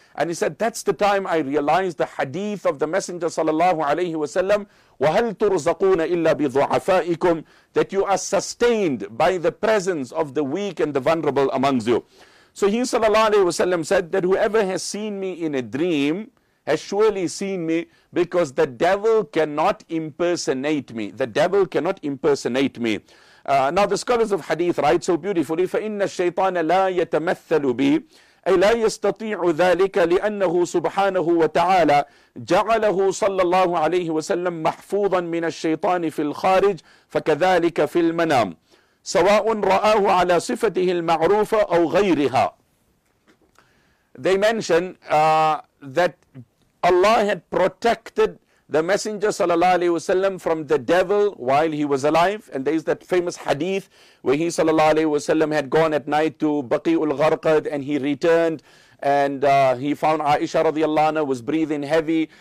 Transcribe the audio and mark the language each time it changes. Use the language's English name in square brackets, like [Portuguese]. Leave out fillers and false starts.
[English] And he said, that's the time I realized the hadith of the Messenger sallallahu alayhi wa sallam, [Arabic] وَهَلْ تُرْزَقُونَ إِلَّا بِضُعَفَائِكُمْ, [English] that you are sustained by the presence of the weak and the vulnerable amongst you. So he sallallahu alayhi wa sallam said that whoever has seen me in a dream has surely seen me, because the devil cannot impersonate me. The devil cannot impersonate me. Now the scholars of hadith write so beautifully, [Arabic] فَإِنَّ الشَّيْطَانَ لَا يَتَمَثَّلُ بِي أي لا يستطيع ذلك لأنه سبحانه وتعالى جعله صلى الله عليه وسلم محفوظا من الشيطان في الخارج فكذلك في المنام سواء رآه على صفته المعروفة أو غيرها. [English] They mention that Allah had protected the Messenger sallallahu alayhi wasallam from the devil while he was alive. And there is that famous hadith where he sallallahu alayhi wasallam had gone at night to Baqi'ul Gharqad, and he returned and he found Aisha radiallahu anha was breathing heavy.